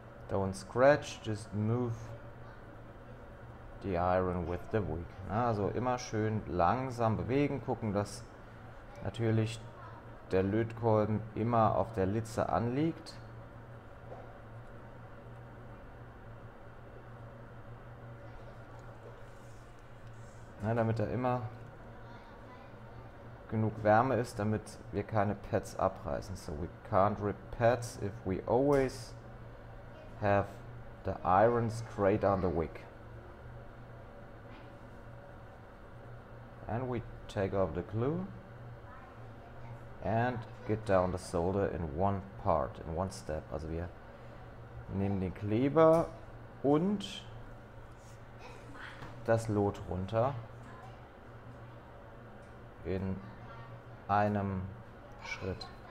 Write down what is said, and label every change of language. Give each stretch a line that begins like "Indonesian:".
English: Don't scratch, just move the iron with the wig.
German: Also immer schön langsam bewegen, gucken, dass natürlich der Lötkolben immer auf der Litze anliegt. Na, damit er immer genug Wärme ist, damit wir keine Pads abreißen.
English: So we can't rip pads if we always have the iron straight on the wick. And we take off the glue and get down the solder in one part, in one step.
German: Also wir nehmen den Kleber und das Lot runter in einem Schritt.